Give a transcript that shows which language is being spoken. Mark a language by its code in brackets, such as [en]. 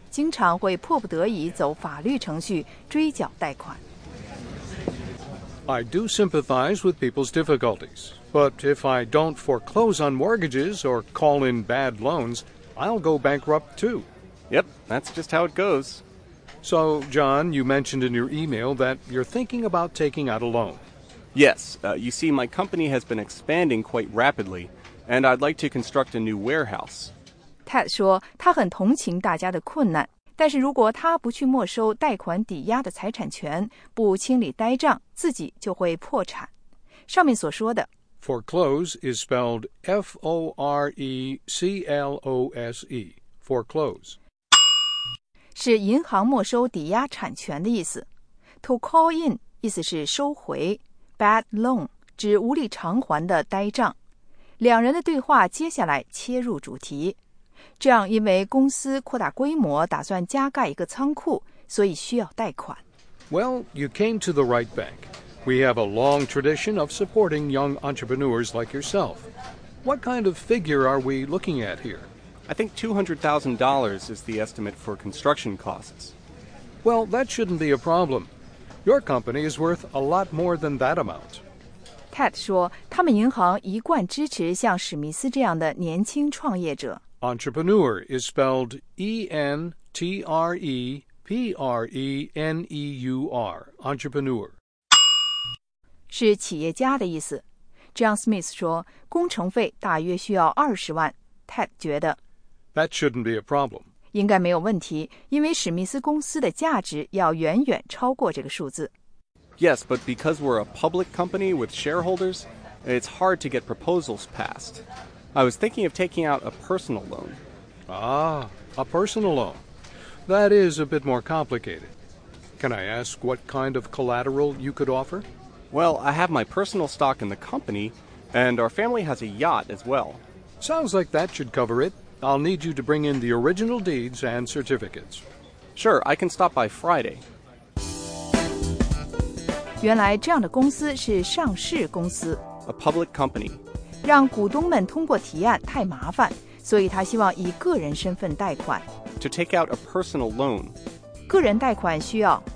[zh] 经常会迫不得已走法律程序追缴贷款。 [en] I do sympathize with people's difficulties, but if I don't foreclose on mortgages or call in bad loans, I'll go bankrupt too. Yep, that's just how it goes. So, John, you mentioned in your email that you're thinking about taking out a loan. Yes, you see, my company has been expanding quite rapidly, and I'd like to construct a new warehouse. [zh] Ted 说他很同情大家的困难，但是如果他不去没收贷款抵押的财产权，不清理呆账，自己就会破产。上面所说的 [en] Foreclose is spelled F-O-R-E-C-L-O-S-E Foreclose [zh] 是银行没收抵押产权的意思。 To call in 意思是收回， Bad loan 指无力偿还的呆账。两人的对话接下来切入主题，这样因为公司扩大规模，打算加盖一个仓库，所以需要贷款。 [en] Well, you came to the right bank. We have a long tradition of supporting young entrepreneurs like yourself. What kind of figure are we looking at here? I think $200,000 is the estimate for construction costs. Well, that shouldn't be a problem. Your company is worth a lot more than that amount. [zh] Ted 说，他们银行一贯支持像史密斯这样的年轻创业者。 [en] Entrepreneur is spelled E-N-T-R-E-P-R-E-N-E-U-R, entrepreneur. [zh] 是企业家的意思。John Smith 说，工程费大约需要20万。Ted 觉得 [en] That shouldn't be a problem. [zh] 应该没有问题，因为史密斯公司的价值要远远超过这个数字。 [en] Yes, but because we're a public company with shareholders, it's hard to get proposals passed. I was thinking of taking out a personal loan. Ah, a personal loan. That is a bit more complicated. Can I ask what kind of collateral you could offer? Well, I have my personal stock in the company, and our family has a yacht as well. Sounds like that should cover it. I'll need you to bring in the original deeds and certificates. Sure, I can stop by Friday. [zh] 原来这样的公司是上市公司。 [en] A public company. [zh] 让股东们通过提案太麻烦，所以他希望以个人身份贷款。 [en] To take out a personal loan. [zh] 个人贷款需要。